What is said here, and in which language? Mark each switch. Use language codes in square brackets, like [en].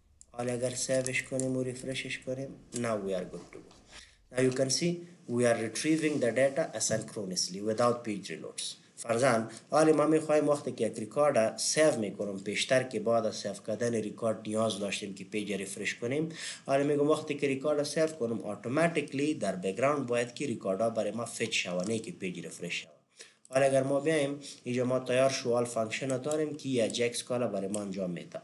[fa] حالا اگر سیفش کنیم و ریفرشش کنیم [en] now we are good to go. Now you can see we are retrieving the data asynchronously without page reloads. [fa] فرزان حالی ما میخواییم وقتی که یک ریکارد سیف میکنم پیشتر که بعد از سیف کردن ریکارد نیاز داشتیم که پیج ریفرش کنیم، حالی میگم وقتی که ریکارد سیف کنم اوتوماتیکلی در بیگراند باید که ریکارد ها برای ما فچ شوه نه که پیج ریفرش شوه. حالا اگر ما بیایم اینجا ما تیار شوال فانکشن داریم که اجکس کالا برای ما انجام میده.